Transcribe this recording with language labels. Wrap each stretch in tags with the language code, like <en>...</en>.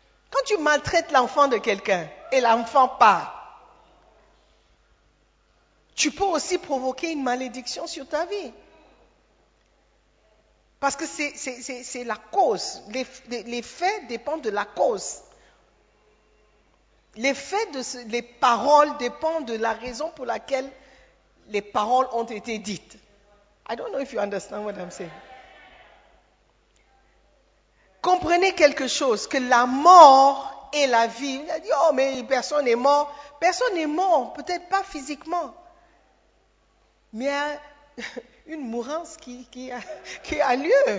<fr>Quand tu maltraites l'enfant de quelqu'un et l'enfant parle, tu peux aussi provoquer une malédiction sur ta vie. Parce que c'est la cause. Les faits dépendent de la cause. Les paroles dépendent de la raison pour laquelle les paroles ont été dites.</fr> <en>I don't know if you understand what I'm saying.</en> <fr>Comprenez quelque chose, que la mort et la vie. Il a dit, oh, mais personne n'est mort. Personne n'est mort, peut-être pas physiquement. Mais il y a une mourance qui a lieu.</fr>